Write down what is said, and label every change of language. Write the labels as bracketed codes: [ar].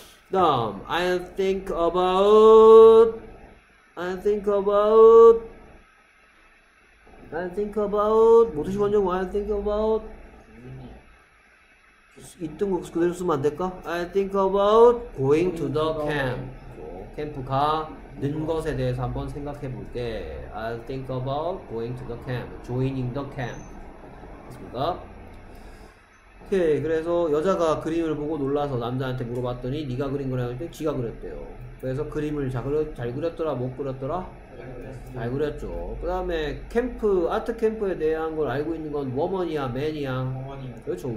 [ko] 다음 [en] I think about [ko] 무엇이 완전 I think about 있던 것 그대로 쓰면 안 될까? [en] I think about going to the camp. [ko] 캠프가 는 것에 대해서 한번 생각해 볼게. [en] I'll think about going to the camp, joining the camp. [ko] 맞습니까? 오케이. 그래서 여자가 그림을 보고 놀라서 남자한테 물어봤더니 네가 그린 거냐고 했더니 지가 그렸대요. 그래서 그림을 잘 그렸더라, 못 그렸더라? 잘 그렸죠. 그 다음에 캠프, 아트 캠프에 대한 걸 알고 있는 건 워먼이야, 맨이야. 그렇죠.